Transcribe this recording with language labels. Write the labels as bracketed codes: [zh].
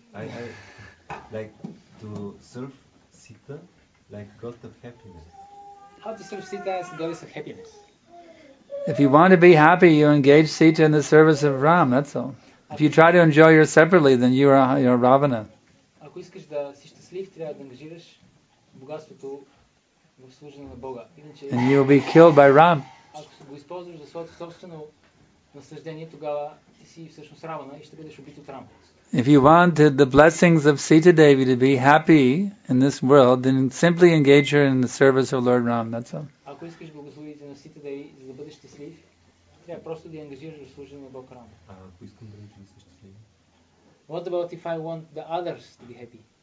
[en] I like to serve Sita, like God of happiness. How to serve Sita as the goddess of happiness? If you want to be happy, you engage Sita in the service of Ram, that's all. If you try to enjoy her separately, then you're Ravana. [bg] Ако искаш да си щастлив, трябва да ангажираш богатството в служение на Бога. [en] And you will be killed by Ram. [bg] Ако го използваш за своето собствено наслаждение, тогава ти си всъщност Равана и ще бъдеш убит от Рам. [en] If you want the blessings of Sita Devi to be happy in this world, then simply engage her in the service of Lord Ram, that's all. [bg] Ако искаш благословите на Сита Деви за да бъдеш щастлив, трябва просто да я ангажираш в служение на Бог Рам. Ако искам да бъдеш щастлив. [en] What about if I want the others to be happy?